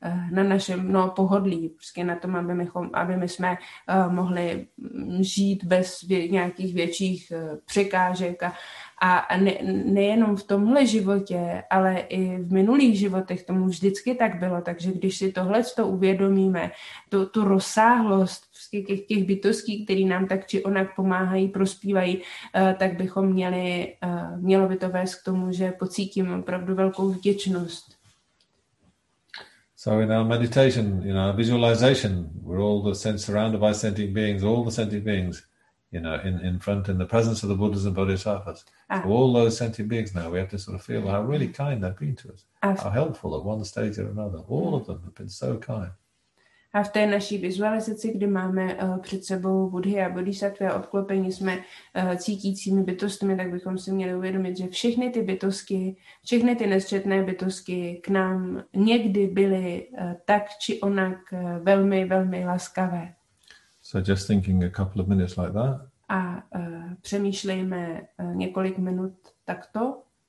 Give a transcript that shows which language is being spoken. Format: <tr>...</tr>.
<cs>na našem pohodlí, prostě na tom, aby my jsme mohli žít bez nějakých větších překážek a nejenom v tomhle životě, ale i v minulých životech tomu vždycky tak bylo, takže když si tohle to uvědomíme, tu rozsáhlost těch bytostí, které nám tak či onak pomáhají, prospívají, tak bychom měli, mělo by to vést k tomu, že pocítím opravdu velkou vděčnost.</cs> <en>So in our meditation, in our visualization, we're all the sense surrounded by sentient beings, all the sentient beings, you know, in front, in the presence of the Buddhas and Bodhisattvas. So all those sentient beings now, we have to sort of feel how really kind they've been to us, how helpful at one stage or another. All of them have been so kind.</en> <cs>A v té naší vizualizaci, kdy máme před sebou Buddhy a Bodhisattva a obklopení jsme cítícími bytostmi, tak bychom si měli uvědomit, že všechny ty bytosti, všechny ty nesčetné bytosti k nám někdy byly tak či onak velmi, velmi laskavé.</cs> <en>So just thinking a couple of minutes like that.</en> <cs>A přemýšlejme několik minut takto.</cs>